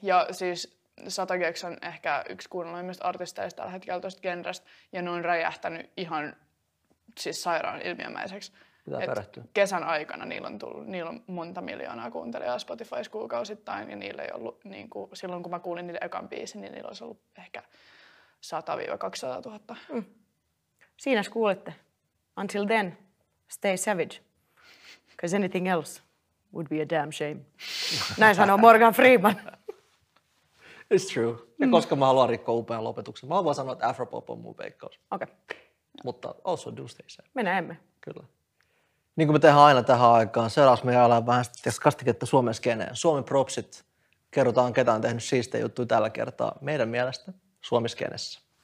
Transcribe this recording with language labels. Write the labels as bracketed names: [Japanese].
[Finnish] Ja siis Satageks on ehkä yksi kuunnelluimmista artisteista tällä hetkellä tuosta genrestä, ja ne on räjähtänyt ihan siis sairaan ilmiömäiseksi. Pitää perehtyä. Kesän aikana niillä on monta miljoonaa kuuntelijaa Spotifys kuukausittain, ja niillä ei ollut, niin kuin, silloin kun mä kuulin niiden ekan biisin, niin niillä olisi ollut ehkä 100-200 000. Siinä kuulitte. [English] Until then, stay savage. Because anything else would be a damn shame. [Finnish] Näin sanoo Morgan Freeman. [English] It's true. [Finnish] Ja koska mä haluan rikkoa upean lopetuksen, mä haluan sanoa, että Afropop on mun veikkaus. Okei. [English] Okay. [Finnish] Mutta [English] also do stay safe. [Finnish] Me näemme. Kyllä. Niin kuin me tehdään aina tähän aikaan, seuraavaksi me jäädään vähän kastiketta Suomen skeneen. Suomen propsit. Kerrotaan, ketä on tehnyt siistejä juttuja tällä kertaa meidän mielestä Suomen skeneessä.